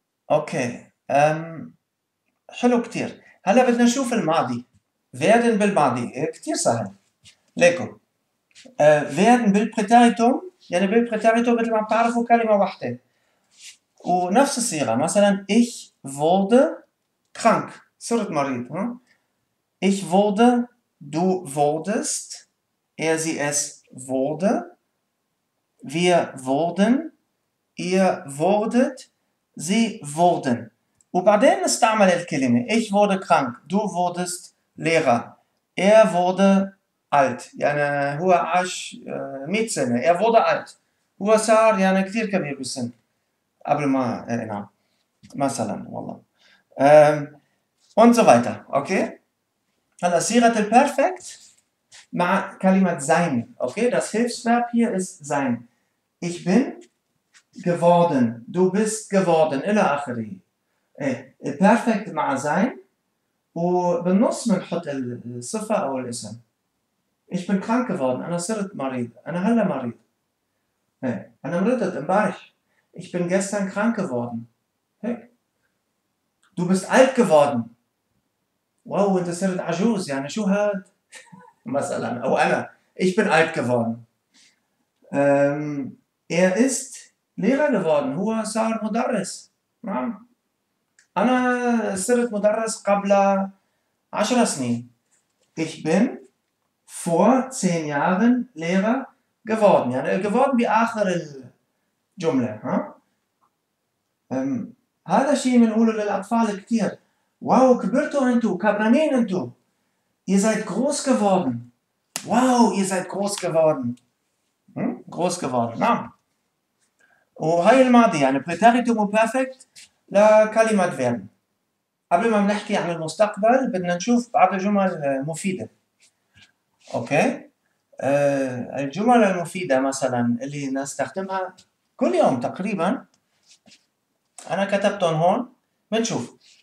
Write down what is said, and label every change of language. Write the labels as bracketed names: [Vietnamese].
[Arabic] اوكي حلو كتير. هلا بدنا نشوف الماضي، werden بالماضي كتير سهل. ليكم werden بالبريتيريتوم، يعني بالبريتيريتوم مثل ما بتعرفوا كلمة واحدة ونفس الصيغة. مثلا [German] ich wurde krank، [Arabic] صرت مريض. [German] ich wurde، du wurdest، er sie es wurde، wir wurden، ihr wurdet، sie wurden. [Arabic] وبعدين نستعمل الكلمة [German] ich wurde krank، du wurdest Lehrer، er wurde alt، [Arabic] يعني هو عاش 100 سنة، [German] er wurde alt، [Arabic] هو صار يعني كتير كبير بالسن قبل ما، نعم مثلا والله. [German] Und so weiter. Okay? Also Sirat al-Perfekt [Arabic] مع كلمة [German] sein. Okay? Das Hilfsverb hier ist sein. Ich bin geworden. Du bist geworden. [Arabic] إلى آخره. [German] Perfekt مع sein. [Arabic] وبالنص بنحط الصفة أو الاسم. [German] Ich bin krank geworden. [Arabic] أنا صرت مريض. أنا هلا مريض. أنا مريضت امبارح. [German] Ich bin gestern krank geworden. Du bist alt geworden. [Arabic] Wow, أنت صرت عجوز. يعني شو هاد؟ مثلا. أو أنا. [German] Ich bin alt geworden. Er ist Lehrer geworden. [Arabic] هو صار مدرس. نعم. أنا صرت مدرس قبل 10 سنين. [German] Ich bin vor 10 Jahren Lehrer geworden. [Arabic] يعني geworden بآخر الجملة. هذا الشيء بنقوله للأطفال كثير. واو كبرتوا أنتوا، كبرانين أنتوا. [German] Ihr seid groß geworden. واو ihr seid groß geworden. Groß geworden. [Arabic] نعم. وهي الماضي يعني بريتيريتوم وبرفكت. لا كلمة فيرب. قبل ما بنحكي عن المستقبل بدنا نشوف بعض الجمل مفيدة. أوكي؟ الجمل المفيدة مثلا اللي نستخدمها كل يوم تقريبا أنا كتبتهم هون بنشوف.